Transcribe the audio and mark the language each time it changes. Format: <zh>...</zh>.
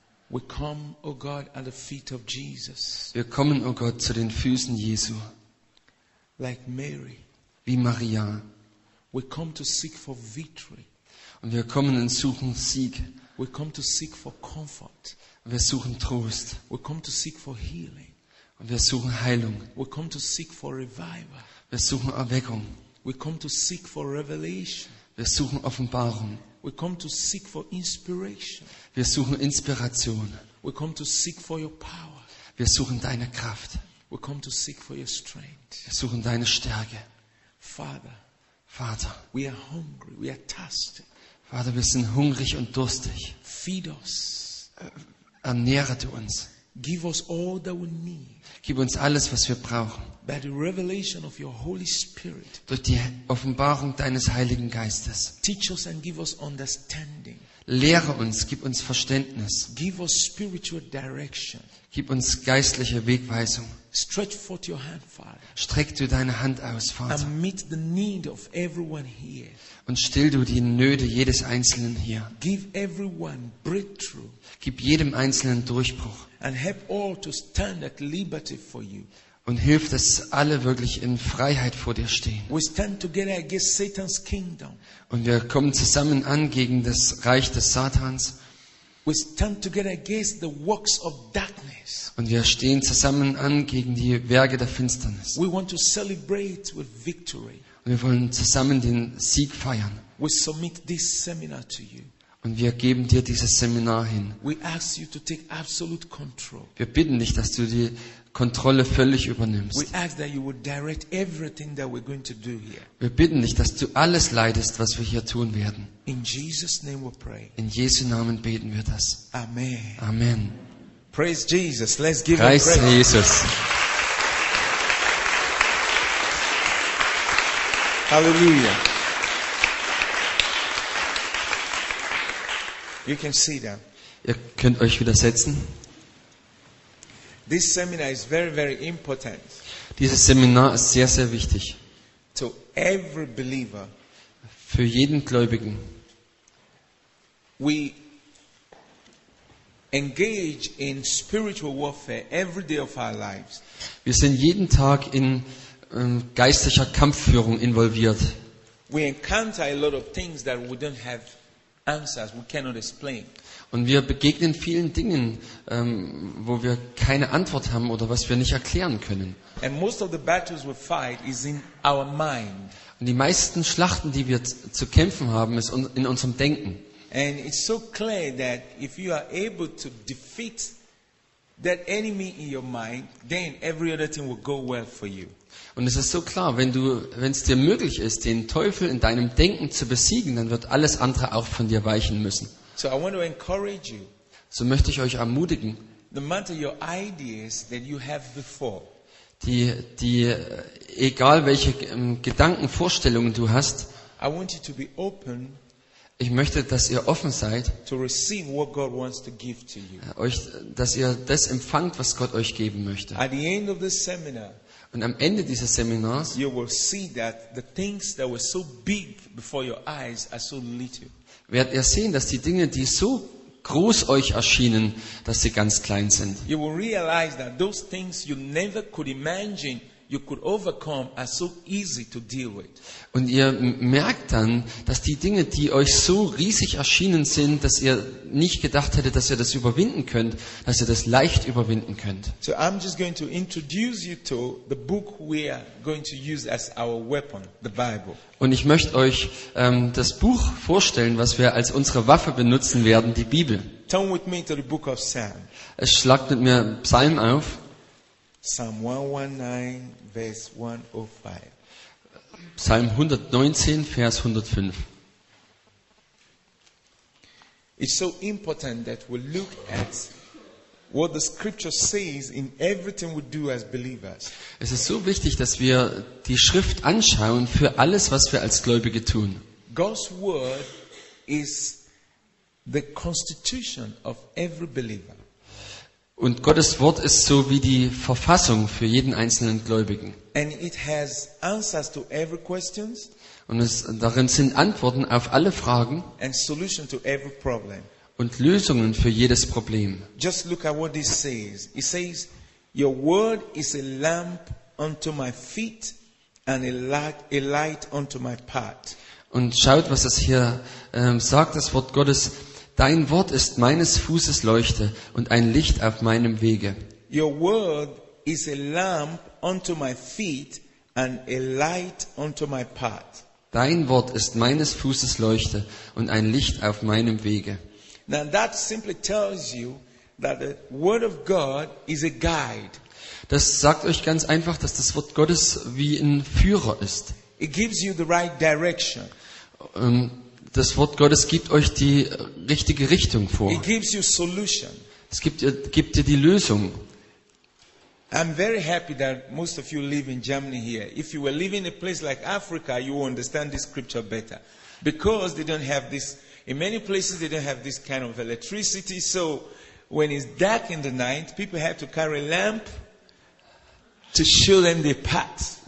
<en>We come, O God, at the feet of Jesus.</en> <de>Wir kommen, O Gott, zu den Füßen Jesu.</de> <en>Like Mary.</en> <de>Wie Maria.</de> <en>We come to seek for victory.</en> <de>Und wir kommen und suchen Sieg.</de> <en>We come to seek for comfort.</en> <de>Wir suchen Trost.</de> <en>We come to seek for healing.</en> <de>Und wir suchen Heilung.</de> <en>We come to seek for revival.</en> <de>Wir suchen Erweckung.</de> <en>We come to seek for revelation.</en> <de>Wir suchen Offenbarung.</de> <en>We come to seek for inspiration.</en> <de>Wir suchen Inspiration.</de> <en>We come to seek for your power.</en> <de>Wir suchen deine Kraft.</de> <en>We come to seek for your strength.</en> <de>Wir suchen deine Stärke.</de> <en>Father.</en> <de>Vater.</de> <en>We are hungry. We are thirsty.</en> <de>Vater, wir sind hungrig und durstig.</de> <en>Feed us.</en> <de>Ernähre du uns.</de> <en>Give us all that we need.</en> <de>Gib uns alles, was wir brauchen.</de> <en>By the revelation of your Holy Spirit.</en> <de>Durch die Offenbarung deines Heiligen Geistes.</de> <en>Teach us and give us understanding.</en> <de>Lehre uns, gib uns Verständnis.</de> <en>Give us spiritual direction.</en> <de>Gib uns geistliche Wegweisung.</de> <en>Stretch forth your hand, Father.</en> <de>Streck du deine Hand aus, Vater.</de> <en>And meet the need of everyone here.</en> <de>Und still du die Nöte jedes Einzelnen hier.</de> <en>Give everyone breakthrough.</en> <de>Gib jedem Einzelnen Durchbruch.</de> <en>And help all to stand at liberty for you.</en> <de>Und hilf, dass alle wirklich in Freiheit vor dir stehen.</de> <en>We stand together against Satan's kingdom.</en> <de>Und wir kommen zusammen an gegen das Reich des Satans.</de> <en>We stand together against the works of darkness.</en> <de>Und wir stehen zusammen an gegen die Werke der Finsternis.</de> <en>We want to celebrate with victory.</en> <de>Und wir wollen zusammen den Sieg feiern.</de> <en>We submit this seminar to you.</en> <de>Und wir geben dir dieses Seminar hin.</de> <en>We ask you to take absolute control.</en> <de>Wir bitten dich, dass du die Kontrolle völlig übernimmst.</de> <en>We ask that you would direct everything that we're going to do here.</en> <de>Wir bitten dich, dass du alles leitest, was wir hier tun werden.</de> <en>In Jesus name we pray.</en> <de>In Jesu Namen beten wir das.</de> <en>Amen.</en> <de>Amen.</de> <en>Praise Jesus. Let's give him praise.</en> <de>Preist Jesus.</de> <en>Hallelujah. You can see that.</en> <de>Ihr könnt euch wieder setzen.</de> <en>This seminar is very, very important.</en> <de>Dieses Seminar ist sehr, sehr wichtig.</de> <en>To every believer.</en> <de>Für jeden Gläubigen.</de> <en>We engage in spiritual warfare every day of our lives.</en> <de>Wir sind jeden Tag in geistlicher Kampfführung involviert.</de> <en>We encounter a lot of things that we don't have answers, we cannot explain.</en> <de>Und wir begegnen vielen Dingen, wo wir keine Antwort haben oder was wir nicht erklären können.</de> <en>And most of the battles we fight is in our mind.</en> <de>Und die meisten Schlachten, die wir zu kämpfen haben, ist in unserem Denken.</de> <en>And it's so clear that if you are able to defeat that enemy in your mind, then every other thing will go well for you.</en> <de>Und es ist so klar, wenn es dir möglich ist, den Teufel in deinem Denken zu besiegen, dann wird alles andere auch von dir weichen müssen.</de> <en>So, I want to encourage you.</en> <de>So möchte ich euch ermutigen.</de> <en>No matter your ideas that you have before.</en> <de>Die egal welche Gedanken, Vorstellungen du hast.</de> <en>I want you to be open.</en> <de>Ich möchte, dass ihr offen seid.</de> <en>To receive what God wants to give to you.</en> <de>Euch, dass ihr das empfangt, was Gott euch geben möchte.</de> <en>At the end of the seminar.</en> <de>Und am Ende dieses Seminars,</de> <en>you will see that the things that were so big before your eyes are so little.</en> <de>Werdet ihr sehen, dass die Dinge, die so groß euch erschienen, dass sie ganz klein sind.</de> <en>You will realize that those things you never could imagine you could overcome are so easy to deal with.</en> <de>Und ihr merkt dann, dass die Dinge, die euch so riesig erschienen sind, dass ihr nicht gedacht hättet, dass ihr das überwinden könnt, dass ihr das leicht überwinden könnt.</de> <en>So I'm just going to introduce you to the book we are going to use as our weapon, the Bible.</en> <de>Und ich möchte euch das Buch vorstellen, was wir als unsere Waffe benutzen werden, die Bibel.</de> <en>Turn with me to the book of Psalm.</en> <de>Es schlagt mit mir Psalm auf.</de> <en>Psalm 119, verse 105.</en> <de>Psalm 119, Vers 105.</de> <en>It's so important that we look at what the scripture says in everything we do as believers.</en> <de>Es ist so wichtig, dass wir die Schrift anschauen für alles, was wir als Gläubige tun.</de> <en>God's word is the constitution of every believer.</en> <de>Und Gottes Wort ist so wie die Verfassung für jeden einzelnen Gläubigen.</de> <en>And it has answers to every questions.</en> <de>Und es, darin sind Antworten auf alle Fragen</de> <en>and solution to every problem.</en> <de>Und Lösungen für jedes Problem.</de> <en>Just look at what this says. It says, your word is a lamp unto my feet and a light unto my path.</en> <de>Und schaut, was es hier sagt, das Wort Gottes. Dein Wort ist meines Fußes Leuchte und ein Licht auf meinem Wege.</de> <en>Your word is a lamp unto my feet and a light unto my path.</en> <de>Dein Wort ist meines Fußes Leuchte und ein Licht auf meinem Wege.</de> <en>Now that simply tells you that the word of God is a guide.</en> <de>Das sagt euch ganz einfach, dass das Wort Gottes wie ein Führer ist.</de> <en>It gives you the right direction.</en> <de>Das Wort Gottes gibt euch die richtige Richtung vor.</de> <en>It gives you solution.</en> <de>Es gibt dir die Lösung.</de> <en>I'm very happy that most of you live in Germany here. If you were living in a place like Africa, you would understand this scripture better. Because they don't have this, in many places they don't have this kind of electricity. So when it's dark in the night, people have to carry a lamp to show them their path.</en>